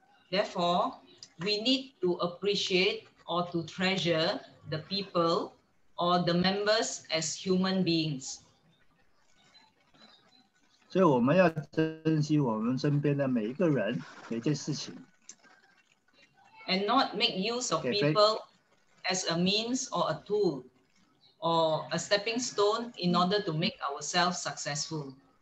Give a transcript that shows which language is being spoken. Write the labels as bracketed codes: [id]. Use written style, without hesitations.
[en] Therefore, we need to appreciate or to treasure the people or the members as human beings. [zh] 所以我们要珍惜我们身边的每一个人、每件事情。 [en] And not make use of people as a means or a tool or a stepping stone in order to make ourselves successful.